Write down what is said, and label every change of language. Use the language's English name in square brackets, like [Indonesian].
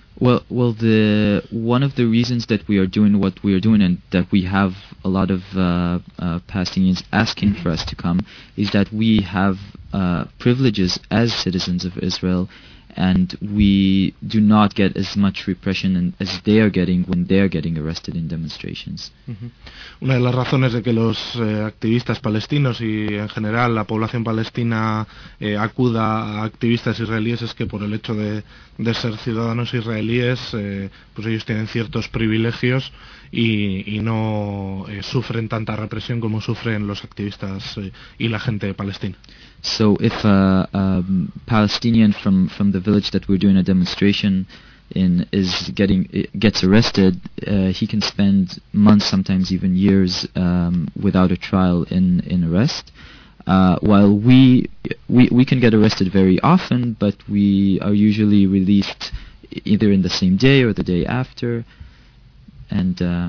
[English] Well, the one of the reasons that we are doing what we are doing and that we have a lot of Palestinians asking for us to come is that we have privileges as citizens of Israel, and we do not get as much repression as they are getting when they are getting arrested in demonstrations. [Spanish] Una de las razones de que los activistas palestinos y en general la población palestina acuda a activistas israelíes es que por el hecho de ser ciudadanos israelíes, pues ellos tienen ciertos privilegios y no sufren tanta represión como sufren los activistas y la gente palestina. [English] So if a Palestinian from the village that we're doing a demonstration in is gets arrested, he can spend months, sometimes even years, without a trial in arrest. While we can get arrested very often, but we are usually released either in the same day or the day after. And